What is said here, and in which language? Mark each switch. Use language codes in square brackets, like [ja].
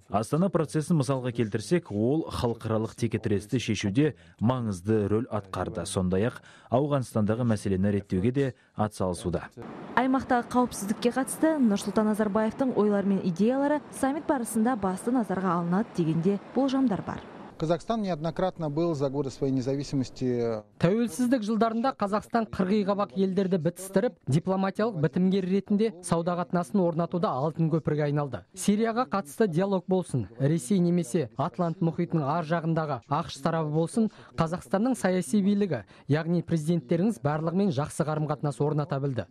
[kk] Астана процесін мысалға келтірсек, ол халықаралық текетіресті шешуде маңызды рөл атқарды. Сондай-ақ, Ауғанстандағы мәселені реттеуге де атсалысуда. Аймақтағы қауіпсіздікке қатысты Нұрсұлтан Назарбаевтың ойлары мен идеялары саммит барысында басты назарға алынады дегенде болжамдар бар. [ru] Қазақстан неоднократно был за годы своей независимости. [kk] Тәуелсіздік жылдарында Қазақстан қырғи қабақ елдерді бітістіріп, дипломатиялық бітімгер ретінде сауда қатынасын орнатуда алтын көпірге айналды. Сирияға қатысты диалог болсын, Ресей немесе Атлант мұхитының ар жағындағы ақш тарабы болсын, Қазақстанның саяси билігі, яғни президенттеріңіз барлығымен жақсы қарым-қатынас орната білді.